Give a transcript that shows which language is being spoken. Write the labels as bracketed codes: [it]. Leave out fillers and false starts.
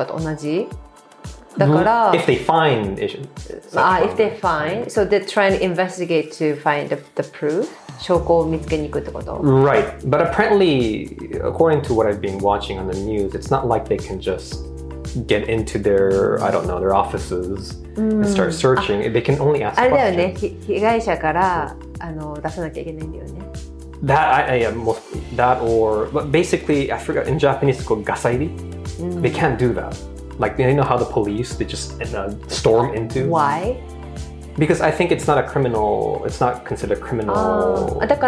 [ja] まあだから結局悪質商法、詐欺商法とかと同じだから。 [en] If they find issue. If they find, so they're trying to investigate to find the proof. [ja] 証拠を見つけに行くってこと? [en] Right, but apparently, according to what I've been watching on the news, it's not like they can just get into their, I don't know, their offices and start searching. They can only ask questions. [ja] あれだよね、被害者から出さなきゃいけないんだよね。 [en] But basically, I forgot, in Japanese, it's called gasairi. They can't do that. Like, you know how the police, they just storm into? Why? Because I think it's not a criminal, it's not considered criminal.